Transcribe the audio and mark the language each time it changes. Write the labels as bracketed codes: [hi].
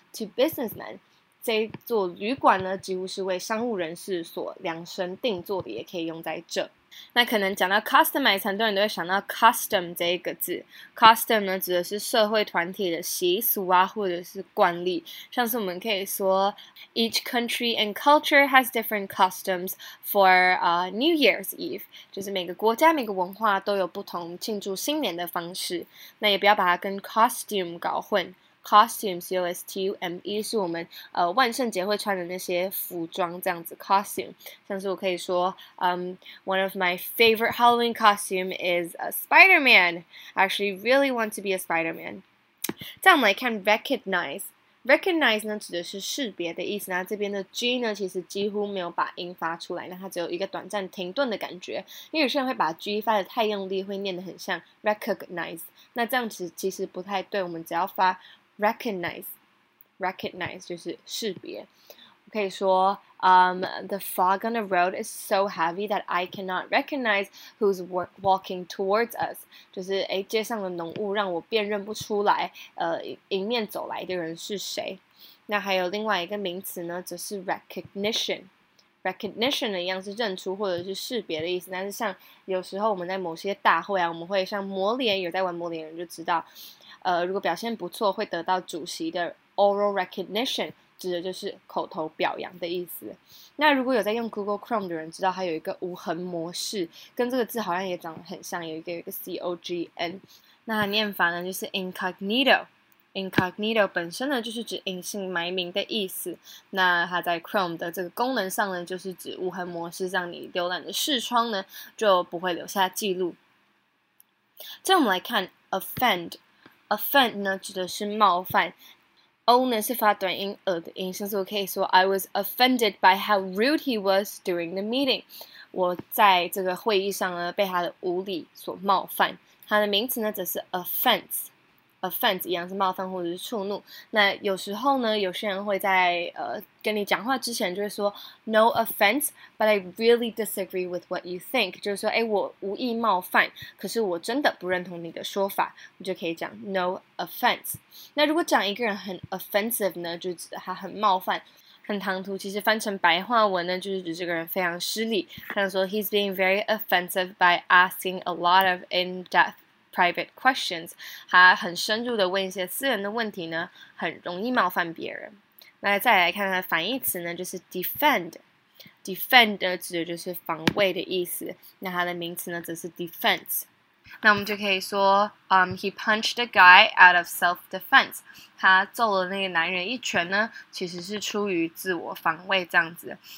[zh] To businessmen， 这座旅馆呢几乎是为商务人士所量身定做的，也可以用在这。那可能讲到 customize， 很多人都会想到 custom 这一个字。custom 呢指的是社会团体的习俗啊，或者是惯例。像是我们可以说 ， [en] Each country and culture has different customs for New Year's Eve， [zh] 就是每个国家每个文化都有不同庆祝新年的方式。那也不要把它跟 costume 搞混。 Costume, C-O-S-T-U-M-E, 是我们万圣节会穿的那些服装，这样子 costume. 像是我可以说, [en] one of my favorite Halloween costume is a Spider-Man. I actually really want to be a Spider-Man. [zh] 再我们来看 recognize. Recognize 呢指的是识别的意思，那这边的 G 呢其实几乎没有把音发出来，那它只有一个短暂停顿的感觉，因为有些人会把 G 发得太用力，会念得很像 recognize. 那这样子其实不太对，我们只要发 recognize 就是识别。我可以说 [en] the fog on the road is so heavy that I cannot recognize who's walking towards us. [zh] 就是街上的浓雾让我辨认不出来，迎面走来的人是谁。那还有另外一个名词呢，则是 recognition。 recognition 的一样，是认出或者是识别的意思。但是像有时候我们在某些大会啊，我们会像魔脸，有在玩魔脸人就知道，如果表现不错会得到主席的 oral recognition，指的就是口头表扬的意思。那如果有在用 Google Chrome 的人知道它有一个无痕模式，跟这个字好像也长得很像，有一个C-O-G-N。那念法呢就是 incognito。incognito 本身呢就是指隐姓埋名的意思，那它在 Chrome 的这个功能上呢就是指无痕模式，让你浏览的视窗呢就不会留下记录。接着我们来看 offend。 offend 呢指的是冒犯，O 呢是发短音 ，a 的音，像是我可以说 [en] I was offended by how rude he was during the meeting。 [zh] 我在这个会议上呢，被他的无礼所冒犯。它的名词呢，则是 offense， 一样是冒犯或者是触怒。那有时候呢，有些人会在跟你讲话之前就会说 [en] No offense, but I really disagree with what you think。 [zh] 就是说，哎，我无意冒犯，可是我真的不认同你的说法。你就可以讲 [en] No offense。 [zh] 那如果讲一个人很 offensive 呢，就指他很冒犯、很唐突。其实翻成白话文呢，就是指这个人非常失礼。像说 [en] He's being very offensive by asking a lot of in-depth. private questions， [zh] 他很深入的问一些私人的问题呢，很容易冒犯别人。那再来看看反义词呢，就是 defend。defend 呢指的就是防卫的意思，那它的名词呢则是 defense。那我们就可以说 [en] he punched a guy out of self-defense， [zh] 他揍了那个男人一拳呢，其实是出于自我防卫这样子。